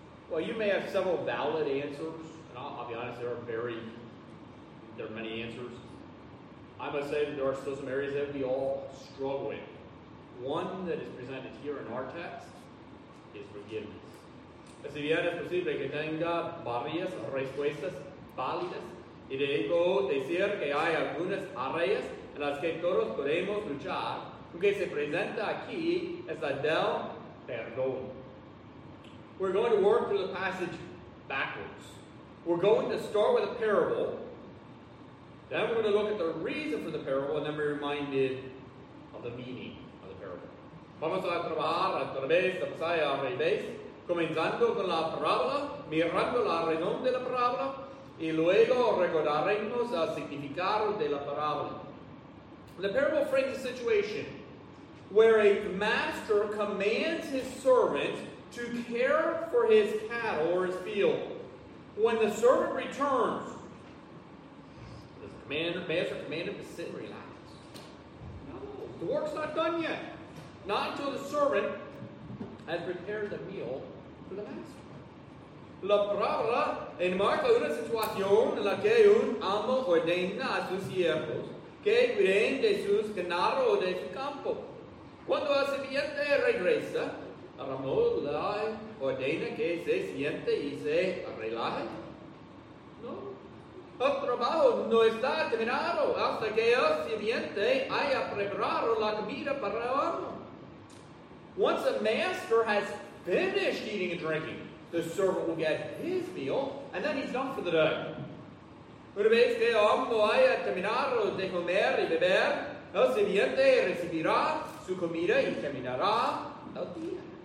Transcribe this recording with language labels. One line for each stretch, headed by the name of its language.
English: Well, you may have several valid answers, and I'll be honest, there are many answers. I must say that there are still some areas that we all struggle with. One that is presented here in our text is forgiveness.
Spanish: Así bien es posible que tenga varias respuestas válidas, y debo decir que hay algunas áreas en las que todos podemos luchar. Lo que se presenta aquí es la del perdón.
English: We're going to work through the passage backwards. We're going to start with a parable. Then we're going to look at the reason for the parable and then be reminded of the meaning of the parable.
Spanish: Vamos a trabajar a través de pasaje al revés, comenzando con la parábola, mirando la razón de la parábola y luego recordaremos el significado de la parábola.
English: The parable frames a situation where a master commands his servant to care for his cattle or his field. When the servant returns, the master commanded to sit and relax. No, the work's not done yet. Not until the servant has prepared the meal for the master.
Spanish: La parábola enmarca una situación en la que un amo ordena a sus siervos que cuiden de sus ganados o de su campo. Cuando el sirviente regresa, el amo le ordena que se siente y se relaje. No. El trabajo no está terminado hasta que el sirviente haya preparado la comida para el amo.
English: Once the master has finished eating and drinking, the servant will get his meal, and then he's done for the day.
Spanish: Una vez que el amo haya terminado de comer y beber, el sirviente recibirá su comida y terminará el día.